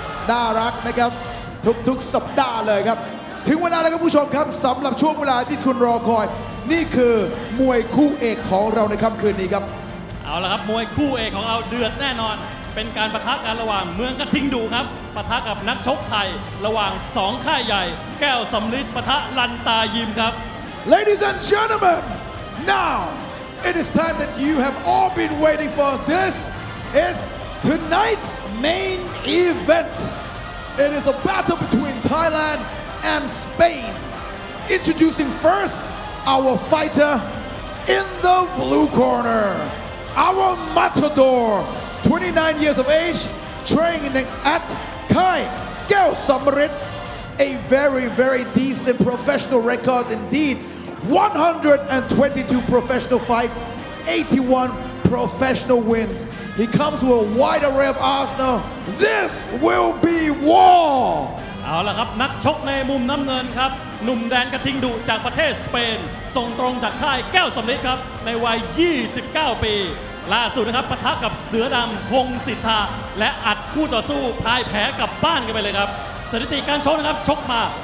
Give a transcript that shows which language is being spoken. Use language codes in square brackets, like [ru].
[th] น่ารักนะครับทุกๆสัปดาห์เลยครับถึงเวลาแล้วครับผู้ชมครับสำหรับช่วงเวลาที่คุณรอคอยนี่คือมวยคู่เอกของเราในค่ำคืนนี้ครับ เอาละครับมวยคู่เอกของเราเดือดแน่นอนเป็นการปะทะกันระหว่างเมืองกระทิงดูครับปะทะกับนักชกไทยระหว่าง2ค่ายใหญ่แก้วสำลิดปะทะลันตายิมครับ [en] Ladies and gentlemen, now it is time that you have all been waiting for. This is tonight's main event. It is a battle between Thailand and Spain. Introducing first our fighter in the blue corner, our matador. 29 years of age, training at Kai Gao Samrit, a very, very decent professional record indeed. 122 professional fights, 81 professional wins. He comes with a wide array of arsenal. This will be war! [th] เอาละครับนักชกในมุมน้ำเงินครับหนุ่มแดนกระทิงดุจากประเทศสเปนส่งตรงจากค่ายแก้วสำลิดครับในวัย29ปีล่าสุดนะครับปะทะกับเสือดำคงสิทธาและอัดคู่ต่อสู้พ่ายแพ้กับบ้านกันไปเลยครับสถิติการชกนะครับชกมา